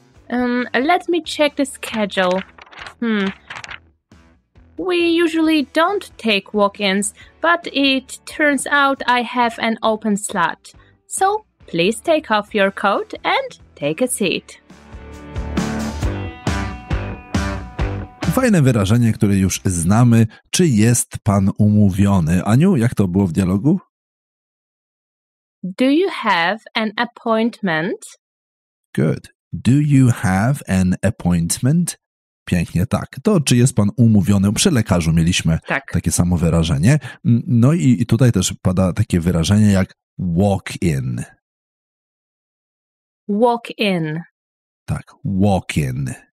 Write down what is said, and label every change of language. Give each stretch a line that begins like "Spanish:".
English: Let me check the schedule. We usually don't take walk-ins, but it turns out I have an open slot. So, please take off your coat and take a seat.
Polish: Fajne wyrażenie, które już znamy. Czy jest pan umówiony? Aniu, jak to było w dialogu?
English: Do you have an appointment? Good. Do you have an appointment?
Polish: Pięknie, tak. To czy jest pan umówiony? Przy lekarzu mieliśmy takie samo wyrażenie. No i tutaj też pada takie wyrażenie jak walk in.
English: Walk in. Tak, walk in.